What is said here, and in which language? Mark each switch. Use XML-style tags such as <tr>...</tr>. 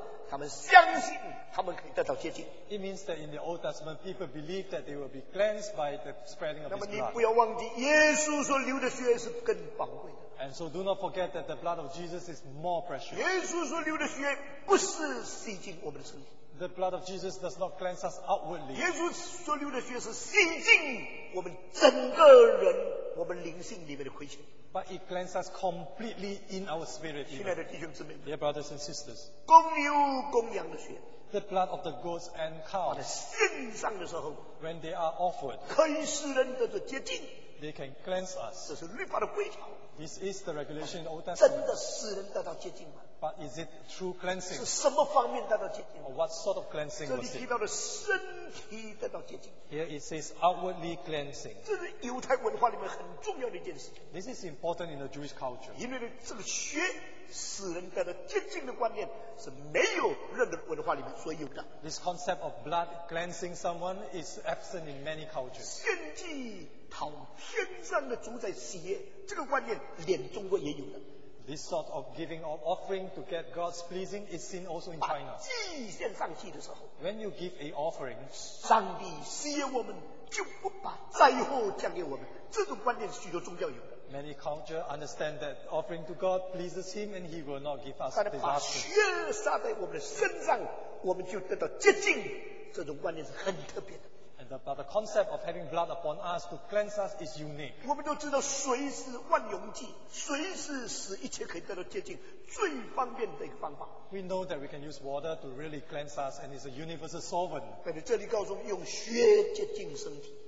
<zh>就标注了旧约的人因为这种血的流，这种血的洒在他们身上，他们相信他们可以得到洁净。</zh> <en>It means that in the Old Testament, people believe that they will be cleansed by the spreading of His blood.</en> <zh>那么你不要忘记，耶稣所流的血是更宝贵的。</zh> <en>And so do not forget that the blood of Jesus is more precious.</en> <zh>耶稣所流的血不是洗净我们的身体。</zh> <en>The blood of Jesus does not cleanse us outwardly.</en> <zh>耶稣所流的血是洗净我们整个人，我们灵性里面的亏欠。</zh> <en>But it cleanses us completely in our spirit.</en> <zh>亲爱的弟兄姊妹,</zh> <en>dear brothers and sisters,</en> <zh>公牛公羊的血,</zh> <en>the blood of the goats and cows,</en> <zh>把它献上的时候,</zh> <en>when they are offered,</en> <zh>可以使人得到洁净,</zh> <en>they can cleanse us.</en> <zh>这是律法的规条。</zh> <en>This is the regulation in Old Testament.</en> <zh>真的使人得到洁净吗？</zh> <en>But is it true cleansing?</en> <zh>是什么方面得到洁净？</zh> <en>Or what sort of cleansing was it?</en> <zh>这里提到的身体得到洁净。</zh> <en>Here it says outwardly cleansing.</en> <zh>这是犹太文化里面很重要的一件事。</zh> <en>This is important in the Jewish culture.</en> <zh>因为这个血使人得到洁净的观念是没有任何文化里面所有的。</zh> <en>This concept of blood cleansing someone is absent in many cultures.</en> <zh>献祭讨天上的主宰喜悦，这个观念连中国也有的。</zh> <en>This sort of giving of offering to get God's pleasing is seen also in China.</en> <zh>把祭献上去的时候，</zh> <en>When you give an offering,</en> <zh>上帝喜悦我们，就不把灾祸降给我们。这种观念许多宗教有的。</zh> <en>Many cultures understand that offering to God pleases Him and He will not give us disaster.</en> <zh>把血洒在我们的身上，我们就得到洁净。这种观念是很特别的。</zh> <en>But the concept of having blood upon us to cleanse us is unique.</en> <zh>我们都知道水是万用剂，水是使一切可以得到洁净最方便的一个方法。</zh> <en>We know that we can use water to really cleanse us, and it's a universal solvent.</en> <zh>但是这里告诉我们用血洁净身体。</zh>